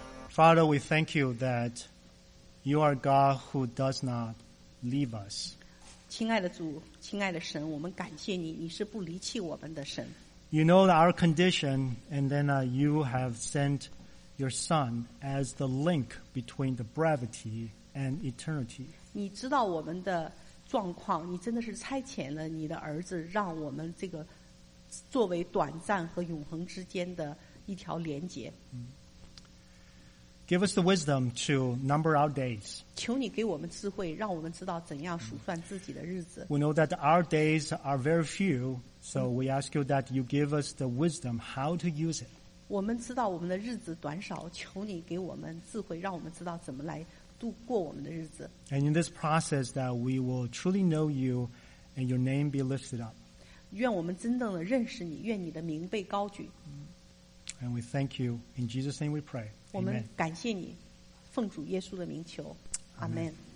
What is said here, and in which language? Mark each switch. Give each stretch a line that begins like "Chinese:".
English: Father, we thank you that you are God who does not leave us.
Chinese: 亲爱的主，亲爱的神，我们感谢你，你是不离弃我们的神。
English: You know our condition, and then you have sent your Son as the link between the brevity and eternity.
Chinese: 你知道我们的状况，你真的是差遣了你的儿子，让我们这个作为短暂和永恒之间的一条连结。
English: Give us the wisdom to number our days.
Chinese: 求你给我们智慧，让我们知道怎样数算自己的日子。
English: We know that our days are very few, so we ask you that you give us the wisdom how to use it.
Chinese: 我们知道我们的日子短少，求你给我们智慧，让我们知道怎么来度过我们的日子。
English: And in this process that we will truly know you and your name be lifted up.
Chinese: 愿我们真正的认识你，愿你的名被高举。
English: And we thank you. In Jesus' name we pray.
Chinese: 我们感谢你，奉主耶稣的名求。阿门。